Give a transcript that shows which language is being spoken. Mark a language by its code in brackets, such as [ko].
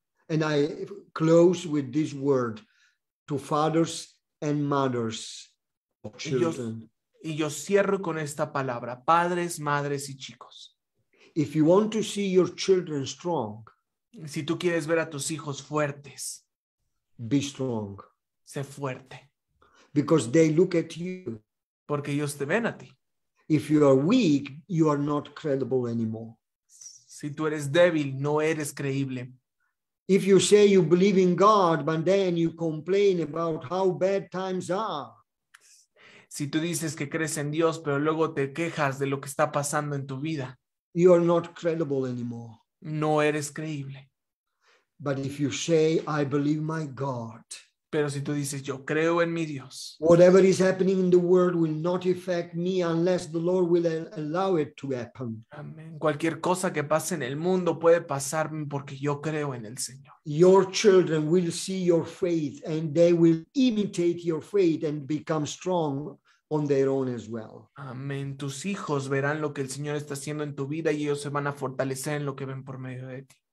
[en] And I close with this word to fathers and mothers of children. [es] Y yo cierro con esta palabra, padres, madres y chicos. [en] If you want to see your children strong, [es] si tú quieres ver a tus hijos fuertes, [en] be strong. [es] Sé fuerte. [en] Because they look at you. [es] Porque ellos te ven a ti. [en] If you are weak, you are not credible anymore. [es] Si tú eres débil, no eres creíble. [en] If you say you believe in God, but then you complain about how bad times are. [es] Si tú dices que crees en Dios, pero luego te quejas de lo que está pasando en tu vida. [en] You are not credible anymore. [es] No eres creíble. [en] But if you say, I believe my God. [es] Pero si tú dices, yo creo en mi Dios. [en] Whatever is happening in the world will not affect me unless the Lord will allow it to happen. Amen. [es] Cualquier cosa que pase en el mundo puede pasarme porque yo creo en el Señor. [en] Your children will see your faith and they will imitate your faith and become strong on their own as well. Amen. [es] Tus hijos verán lo que el Señor está haciendo en tu vida y ellos se van a fortalecer en lo que ven por medio de ti.